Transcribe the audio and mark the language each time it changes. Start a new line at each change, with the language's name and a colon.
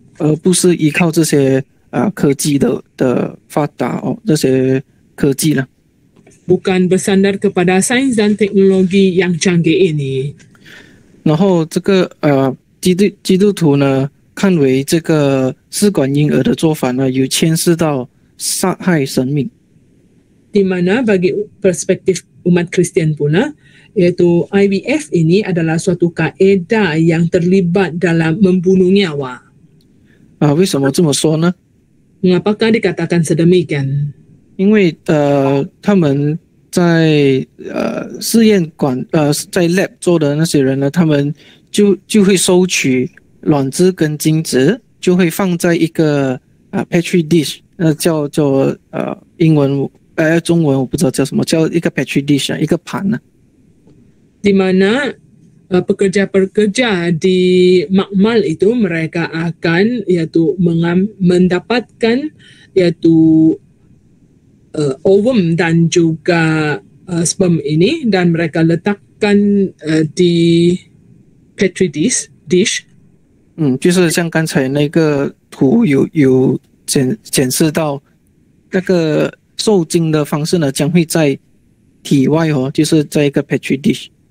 Chinese: 而不是依靠这些科技的发达哦，这些科技呢
Malay: ？Bukan bersandar kepada sains dan teknologi yang canggih ini。
Chinese: 然后这个基督徒呢，看为这个试管婴儿的做法呢，有牵涉到杀害生命。
Malay: Di mana bagi perspektif umat Kristian puna, yaitu IVF ini adalah suatu kaedah yang terlibat dalam membunuh nyawa.
Chinese: 啊，为什么这么说呢
Malay: ？Mengapakah dikatakan sedemikian？
Chinese: 因为他们。在试验管在 lab 做的那些人呢，他们就会收取卵子跟精子，就会放在一个petri dish， 那叫英文中文我不知道叫什么，叫一个 petri dish 啊，一个盘呢。
Malay: Di mana pekerja-pekerja di makmal itu mereka akan yaitu mendapatkan yaituovum dan juga sperm ini dan mereka letakkan di petri dish。
Chinese: 嗯，就是像刚才那个图有显示到，那个受精的方式呢，将会在体外哦，就是在一个 petri dish。